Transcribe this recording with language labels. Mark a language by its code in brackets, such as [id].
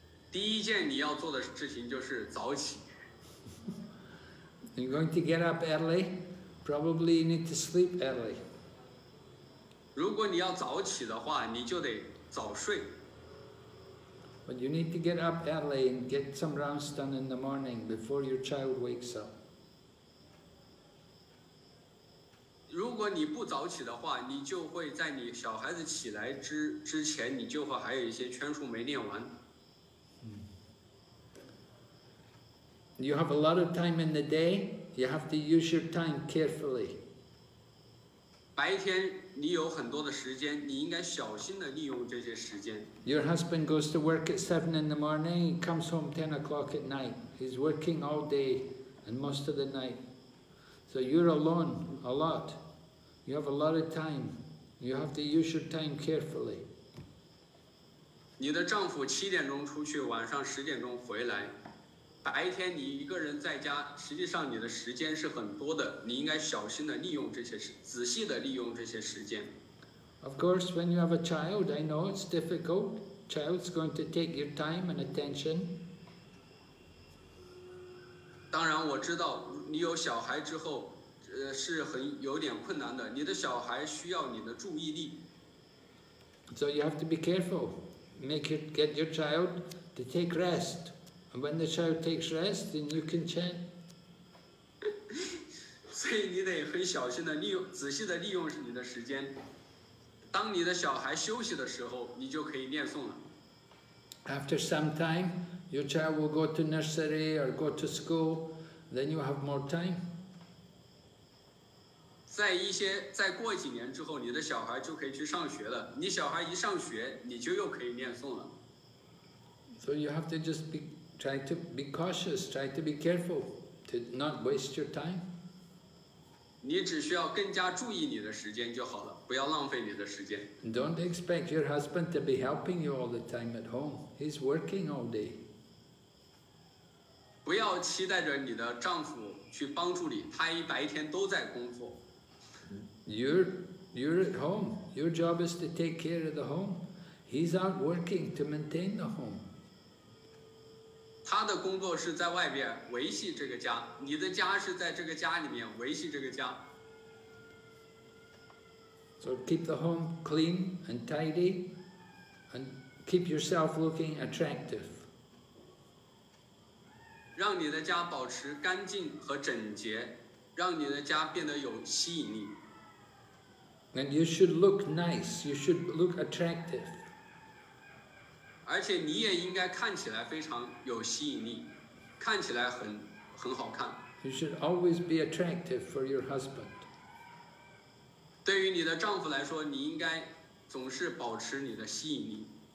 [zh] 第一件你要做的事情就是早起。 [en] You're going to get up early. Probably you need to sleep early. [zh] 如果你要早起的话，你就得早睡。 [en] But you need to get up early and get some rounds done in the morning before your child wakes up. [zh] 如果你不早起的话，你就会在你小孩子起来之前，你就会还有一些圈数没练完。 [en] You have a lot of time in the day. You have to use your time carefully. [zh] 白天你有很多的时间，你应该小心的利用这些时间。 [en] Your husband goes to work at 7 in the morning. He comes home 10 o'clock at night. He's working all day and most of the night. So you're alone a lot. You have a lot of time. You have to use your time carefully. [zh] 你的丈夫七点钟出去，晚上十点钟回来。白天你一个人在家，实际上你的时间是很多的，你应该小心的利用这些时，仔细的利用这些时间。 [en] Of course, when you have a child, I know it's difficult. Child's going to take your time and attention. [zh] 当然我知道你有小孩之后，是很有点困难的。你的小孩需要你的注意力。 [en] So you have to be careful. Get your child to take rest. And when the child takes rest, then you can chant. [zh] 所以你得很小心的利用，仔细的利用你的时间。当你的小孩休息的时候，你就可以念诵了。 [en] After some time, your child will go to nursery or go to school, then you have more time. [zh] 再过几年之后，你的小孩就可以去上学了。你小孩一上学，你就又可以念诵了。 [en] So you have to just be, try to be cautious, try to be careful to not waste your time. [zh] 你只需要更加注意你的时间就好了，不要浪费你的时间。 [en] Don't expect your husband to be helping you all the time at home. He's working all day. [zh] 不要期待着你的丈夫去帮助你，他一白天都在工作。 [en] You're at home. Your job is to take care of the home. He's out working to maintain the home. [zh] 他的工作是在外边维系这个家，你的家是在这个家里面维系这个家。 [en] So keep the home clean and tidy, and keep yourself looking attractive. [zh] 让你的家保持干净和整洁，让你的家变得有吸引力。 [en] And you should look nice. You should look attractive. [zh] 而且你也应该看起来非常有吸引力，看起来很好看。 [en] You should always be attractive for your husband. [zh] 对于你的丈夫来说，你应该总是保持你的吸引力。